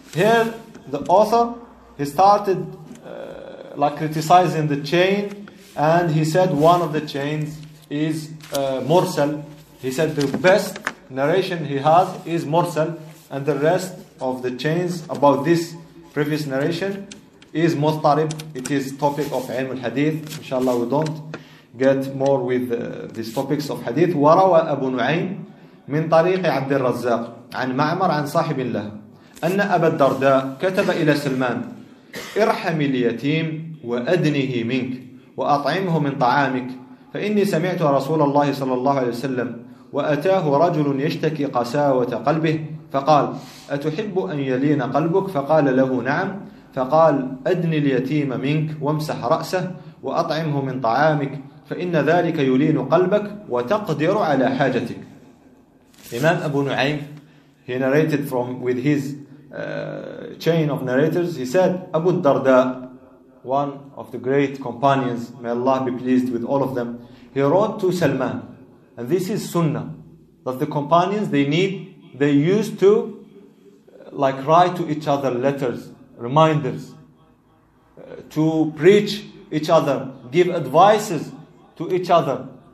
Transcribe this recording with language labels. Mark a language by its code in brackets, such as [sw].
[en] Here the author, he started like criticizing the chain, and he said one of the chains is Mursal. He said the best narration he has is Mursal, and the rest of the chains about this previous narration is Mustarib. It is topic of Ilm al-Hadith. Inshallah we don't get more with these topics of Hadith. [ar] وَرَوَى أَبُو نُعَيْمِ مِنْ طَرِيقِ عَبْدِ الرَّزَّاقِ عَنْ مَعْمَرْ عَنْ صَاحِبِ اللَّهِ أَنَّ أَبَا الدَّرْدَاءَ كَتَبَ إِلَى سُلْمَانَ ارحم اليتيم وأدنه منك وأطعمه من طعامك فإني سمعت رسول الله صلى الله عليه وسلم وأتاه رجل يشتكي قساوة قلبه فقال أتحب أن يلين قلبك فقال له نعم فقال أدن اليتيم منك وامسح رأسه وأطعمه من طعامك فإن ذلك يلين قلبك وتقدر على حاجتك. [en] إمام أبو نعيم, he narrated from with his chain of narrators, he said, Abu Darda, one of the great companions, may Allah be pleased with all of them, he wrote to Salman, and this is Sunnah, that the companions, they used to like write to each other letters, reminders, to preach each other, give advices to each other.